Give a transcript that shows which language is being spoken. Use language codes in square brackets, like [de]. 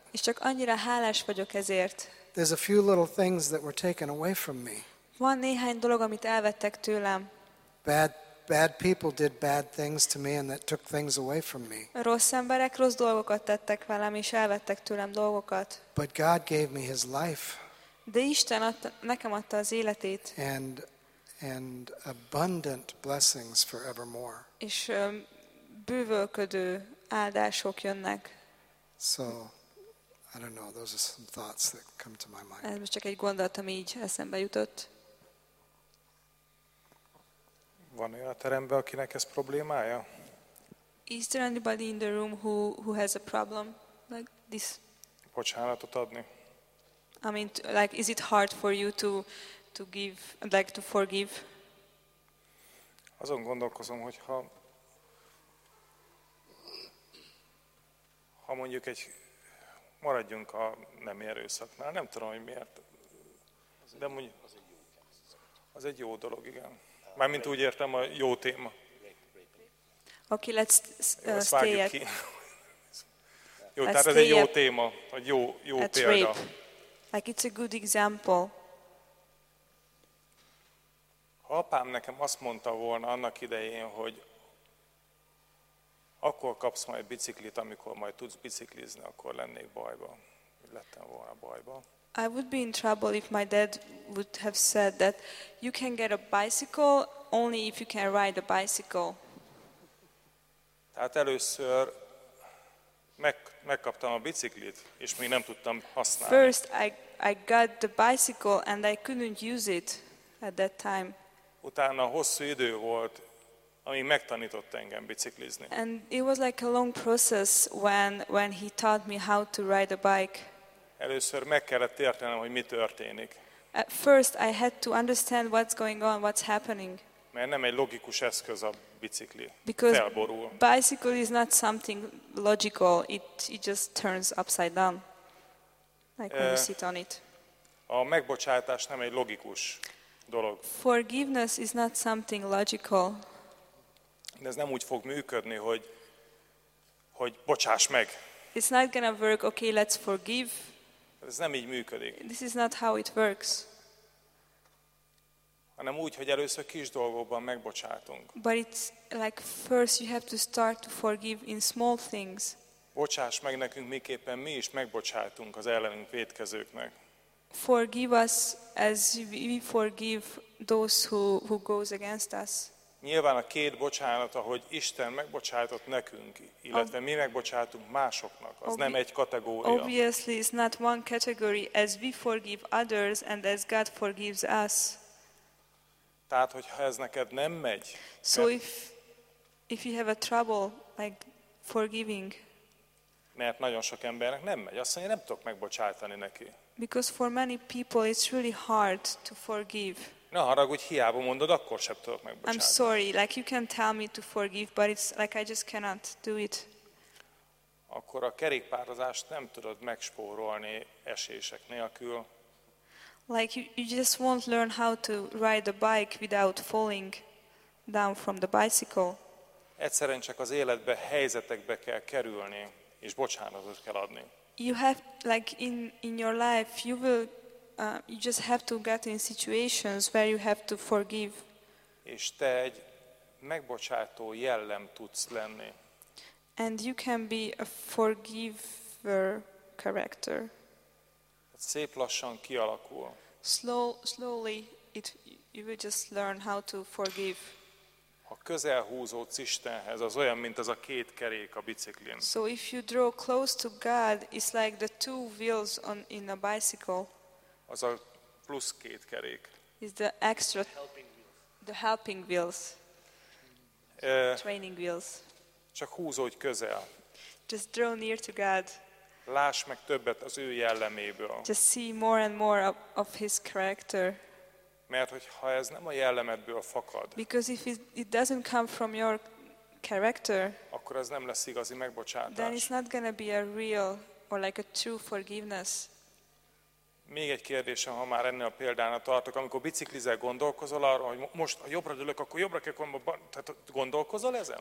[hu] És csak annyira hálás vagyok ezért. [en] There's a few little things that were taken away from me. [hu] Van néhány dolog, amit elvettek tőlem. [en] Bad people did bad things to me and that took things away from me. [hu] Rossz emberek rossz dolgokat tettek velem és elvettek tőlem dolgokat. [en] But God gave me his life. [hu] De Isten nekem adta az életét. [en] And abundant blessings forevermore. [hu] És bővölködő áldások jönnek. [en] So I don't know, those are some thoughts that come to my mind. [hu] Ez csak egy gondolat, ami így eszembe jutott. Van olyan a teremben, akinek ez problémája? [en] Is there anybody in the room who has a problem like this? [hu] Bocsánatot adni. [en] I mean, like, is it hard for you to give, like, to forgive? [hu] Azon gondolkozom, hogy ha mondjuk egy maradjunk a nem erőszaknál, nem tudom, hogy miért. De mondjuk az egy jó dolog, igen. Mármint úgy értem, a jó téma. [en] Okay, let's stay at. [hu] Jó, tehát ez egy jó téma, egy jó példa. [en] Rape. Like it's a good example. [hu] Ha apám nekem azt mondta volna annak idején, hogy akkor kapsz majd biciklit, amikor majd tudsz biciklizni, akkor lennék bajba. Lettem volna bajba. [en] I would be in trouble if my dad would have said that you can get a bicycle only if you can ride a bicycle. [hu] Tehát először megkaptam a biciklit, és még nem tudtam használni. [en] First I got the bicycle and I couldn't use it at that time. [hu] Utána hosszú idő volt, ami megtanított engem biciklizni. [en] And it was like a long process when he taught me how to ride a bike. [hu] Először meg kellett értenem, hogy mi történik. [en] At first I had to understand what's going on, what's happening. [hu] Mert nem egy logikus eszköz a bicikli. [en] Because [hu] felborul. [en] Bicycle is not something logical. It just turns upside down. Like when you sit on it. [hu] A megbocsátás nem egy logikus dolog. [en] Forgiveness is not something logical. [hu] De ez nem úgy fog működni, hogy bocsáss meg. [en] It's not gonna work. Okay, let's forgive. [hu] Ez nem így működik. [en] This is not how it works. [hu] hanem úgy, hogy először kis dolgokban megbocsátunk. [en] But it's like first you have to start to forgive in small things. [hu] Bocsáss meg nekünk, miképpen mi is megbocsátunk az ellenünk vétkezőknek. [en] Forgive us as we forgive those who goes against us. [hu] Nyilván a két bocsánat, ahogy Isten megbocsátott nekünk, illetve mi megbocsátunk másoknak, az nem egy kategória. [en] Obviously it's not one category as we forgive others and as God forgives us. [hu] Tehát, hogyha ez neked nem megy. [en] So if you have a trouble like forgiving. [hu] Mert nagyon sok embernek nem megy, azt mondja, nem tudok megbocsátani neki. [en] Because for many people it's really hard to forgive. [hu] Na, haragudj, hiába mondod, akkor sem tudok megbocsátani. [en] I'm sorry, like you can tell me to forgive, but it's like I just cannot do it. [hu] Akkor a kerékpározást nem tudod megspórolni esések nélkül. [en] Like you just won't learn how to ride a bike without falling down from the bicycle. [hu] Egyszerűen csak az életbe, helyzetekbe kell kerülni, és bocsánatot kell adni. [en] You have like in your life you will you just have to get in situations where you have to forgive. [hu] És te egy megbocsátó jellem tudsz lenni. [en] And you can be a forgiver character. [hu] Szép lassan kialakul. [en] Slowly it you will just learn how to forgive. [hu] Ha közel húzódsz Istenhez, az olyan, mint az a két kerék a biciklin. [en] So if you draw close to God, it's like the two wheels on in a bicycle. [hu] Az a plusz két kerék. [en] It's the extra helping wheels. Training wheels. [hu] Csak húzódj közel. [en] Just draw near to God. [hu] Láss meg többet az ő jelleméből. [en] Just see more and more of his character. [hu] Mert hogyha ez nem a jellemedből fakad. [en] Because if it doesn't come from your character. [hu] Akkor ez nem lesz igazi megbocsátás. [en] Then it's not gonna be a real or like a true forgiveness. [hu] Még egy kérdésem, ha már ennél a példánál tartok, amikor biciklizel, gondolkozol arra, hogy most ha jobbra dőlök, akkor jobbra kell gondolni, tehát gondolkozol ezen?